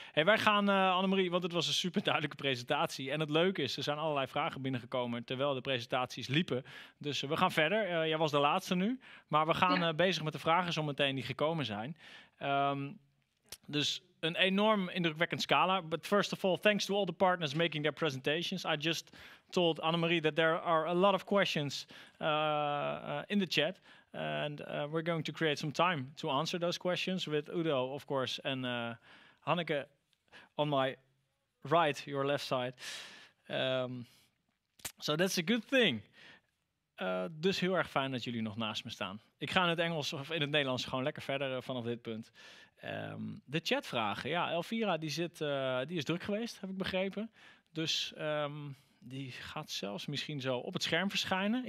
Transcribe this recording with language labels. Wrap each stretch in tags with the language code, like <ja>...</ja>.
<nl>Hey, wij gaan, Annemarie, want het was een super duidelijke presentatie. En het leuke is, er zijn allerlei vragen binnengekomen terwijl de presentaties liepen. Dus we gaan verder. Jij was de laatste nu. Maar we gaan bezig met de vragen zometeen die gekomen zijn. Dus een enorm indrukwekkend scala.</nl> <en>But first of all, thanks to all the partners making their presentations. I just told Annemarie that there are a lot of questions in the chat. And we're going to create some time to answer those questions with Udo, of course, and Hanneke on my right, your left side. So that's a good thing.</en> <nl>Dus heel erg fijn dat jullie nog naast me staan. Ik ga in het Engels of in het Nederlands gewoon lekker verder vanaf dit punt. De chatvragen. Ja, Elvira die is druk geweest, heb ik begrepen. Dus die gaat zelfs misschien zo op het scherm verschijnen.</nl>